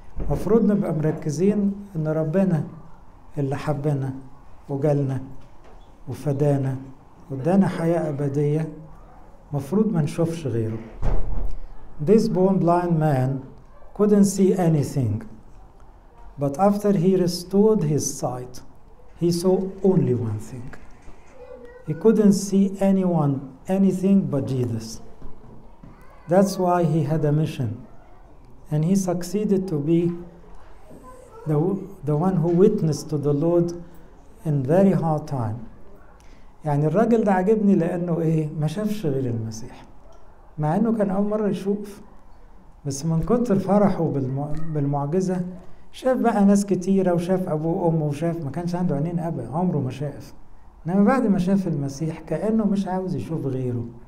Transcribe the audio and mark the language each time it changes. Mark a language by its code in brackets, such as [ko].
[ar] مفروض نبقى مركزين ان ربنا اللي حبنا وجالنا وفدانا ودانا حياة ابدية, مفروض ما نشوفش غيره. [en] This born blind man couldn't see anything, but after he restored his sight, he saw only one thing. He couldn't see anyone, anything but Jesus. That's why he had a mission, and he succeeded to be the one who witnessed to the Lord in very hard time. [ar] يعني الراجل ده عجبني لأنه إيه, ما شافش غير المسيح, مع أنه كان أول مرة يشوف, بس من كتر فرحه بالمعجزة شاف بقى ناس كتيرة, وشاف أبوه وأمه, وشاف, ما كانش عنده عينين أبدا, عمره ما شاف. إنما بعد ما شاف المسيح كأنه مش عاوز يشوف غيره.